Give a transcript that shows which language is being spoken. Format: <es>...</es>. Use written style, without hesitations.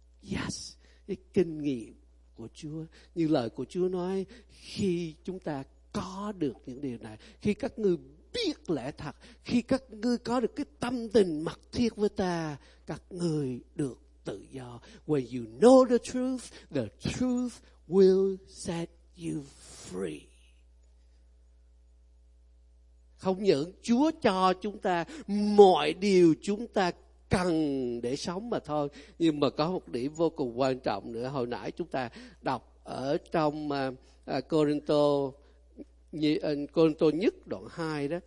<vi>Yes, cái kinh nghiệm của Chúa. Như lời của Chúa nói, khi chúng ta có được những điều này, khi các ngươi biết lẽ thật, khi các ngươi có được cái tâm tình mật thiết với ta, các ngươi được tự do.</vi> <en>When you know the truth will set you free.</en> <vi>Không những Chúa cho chúng ta mọi điều chúng ta cần để sống mà thôi, nhưng mà có một điểm vô cùng quan trọng nữa. Hồi nãy chúng ta đọc ở trong Corinto nhất đoạn 2 đó.</vi>